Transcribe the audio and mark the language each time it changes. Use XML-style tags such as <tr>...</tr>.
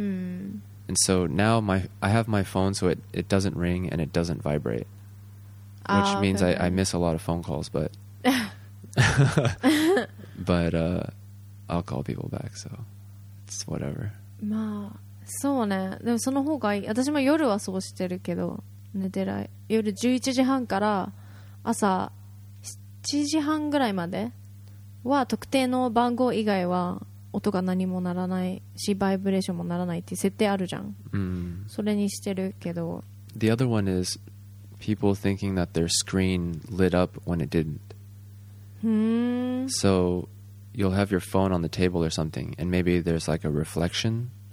<en>Mm. And so now I have my phone, so it doesn't ring and it doesn't vibrate. Which means I miss a lot of phone calls, but I'll call people back, so it's whatever.</en> <ja>まあ、そうね。でもその方がいい。私も夜はそうしてるけど、寝てない。夜11時半から朝7時半ぐらいまでは特定の番号以外は音が何も鳴らないし、バイブレーションも鳴らないっていう設定あるじゃん。それにしてるけど。</ja> <en>The other one is people thinking that their screen lit up when it didn't. So you'll have your phone on the table or something, and maybe there's like a reflection.</en>